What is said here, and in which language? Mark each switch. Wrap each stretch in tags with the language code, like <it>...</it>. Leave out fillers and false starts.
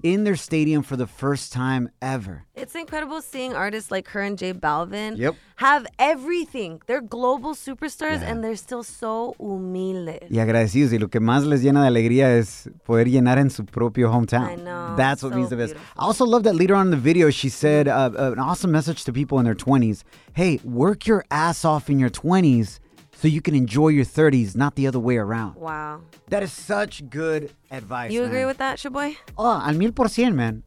<en>In their stadium for the first time ever. It's incredible seeing artists like her and J Balvin yep. have everything. They're global superstars yeah. and they're still so humilde.</en> <es>Y agradecidos. Y lo que más les llena de alegría es poder llenar en su propio hometown.</es> <en>I know. That's what so means the best. Beautiful. I also love that later on in the video, she said an awesome message to people in their 20s. Hey, work your ass off in your 20s. So you can enjoy your 30s, not the other way around. Wow. That is such good advice, You agree man. With that, Sha'Boy?</en> <es>Oh, al 1,000%, man.</es>